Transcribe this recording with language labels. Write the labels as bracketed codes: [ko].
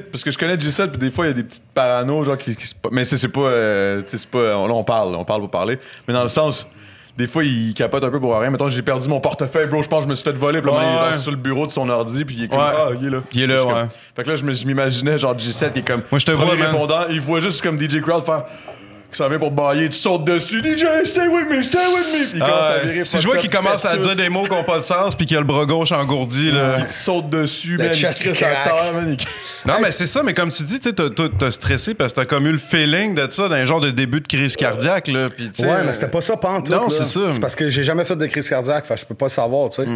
[fr] Parce que je connais G7, puis des fois, il y a des petites parano, genre, qui. Mais c'est pas. Tu sais, c'est pas. Là, on parle pour parler. Mais dans le sens. des fois, il capote un peu pour rien. Mettons, j'ai perdu mon portefeuille, bro. Je pense que je me suis fait voler. Puis là, il est genre sur le bureau de son ordi. Puis il est comme, ah, il est là. Il est là, comme, ouais. Fait que là, je m'imaginais, genre, G7 qui est comme. Moi, je te vois, répondant. Il voit juste comme DJ Crowd faire. Que ça vient pour bailler, tu sautes dessus. [en] DJ, stay with me, stay with me. [fr] Puis si je vois qu'il commence à dire des mots qui n'ont pas de sens, puis qu'il a le bras gauche engourdi, là. Il saute dessus, mais il crie sa terre, man. Non, mais c'est ça, mais comme tu dis, tu sais, t'as stressé parce que t'as comme eu le feeling de ça, d'un genre de début de crise cardiaque, là. Puis, ouais, mais c'était pas ça, pantoute. Non, là. C'est ça. C'est parce que j'ai jamais fait de crise cardiaque, fait je peux pas le savoir, tu sais.